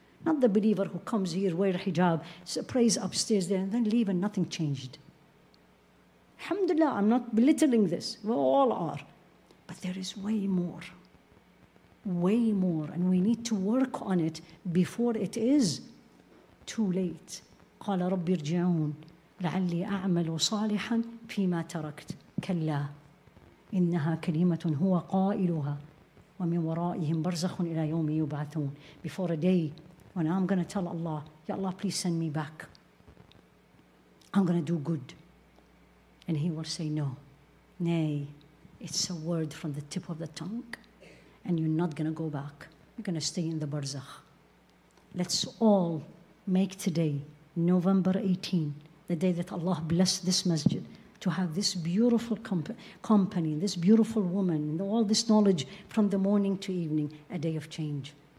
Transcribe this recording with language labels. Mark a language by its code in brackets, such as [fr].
[en] Not the believer who comes here, wear hijab, prays upstairs there, and then leave and nothing changed. Alhamdulillah, I'm not belittling this. We all are. But there is way more. way more, and we need to work on it before it is too late. [ar] قال ربي ارجعون لعلي أعمل صالحا فيما تركت كلا إنها كلمة هو قائلها ومن ورائهم برزخ إلى يوم يبعثون. [en] Before a day when I'm going to tell Allah, Ya Allah, please send me back. I'm going to do good. And he will say, no. Nay, it's a word from the tip of the tongue. And you're not going to go back. You're going to stay in the barzakh. Let's all make today, November 18, the day that Allah blessed this masjid, to have this beautiful company, this beautiful woman, all this knowledge from the morning to evening, a day of change.